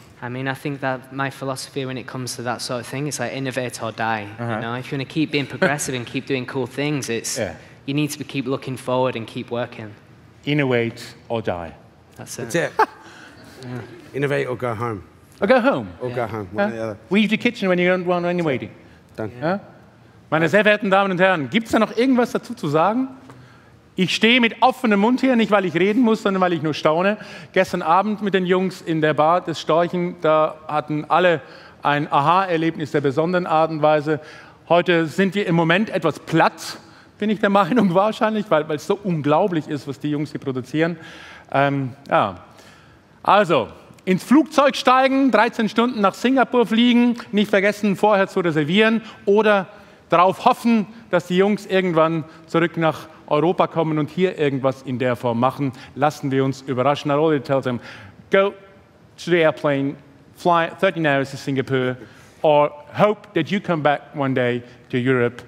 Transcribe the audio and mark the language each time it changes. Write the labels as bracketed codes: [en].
[en] I mean, I think that my philosophy when it comes to that sort of thing is like innovate or die. Uh-huh. You know, if you want to keep being progressive and keep doing cool things, you need to keep looking forward and keep working. Innovate or die. That's it. That's it. Innovate or go home. Or go home. Go home. One or the other. Weave the kitchen when you don't want any waiting. Done. Yeah. [de] Meine sehr verehrten Damen und Herren, gibt es da noch irgendwas dazu zu sagen? Ich stehe mit offenem Mund hier, nicht weil ich reden muss, sondern weil ich nur staune. Gestern Abend mit den Jungs in der Bar des Storchen, da hatten alle ein Aha-Erlebnis der besonderen Art und Weise. Heute sind wir im Moment etwas platt, bin ich der Meinung wahrscheinlich, weil es so unglaublich ist, was die Jungs hier produzieren. Also, ins Flugzeug steigen, 13 Stunden nach Singapur fliegen, nicht vergessen, vorher zu reservieren oder darauf hoffen, dass die Jungs irgendwann zurück nach Europa kommen und hier irgendwas in der Form machen. Lassen wir uns überraschen. [en] I already tell them, go to the airplane, fly 13 hours to Singapore, or hope that you come back one day to Europe.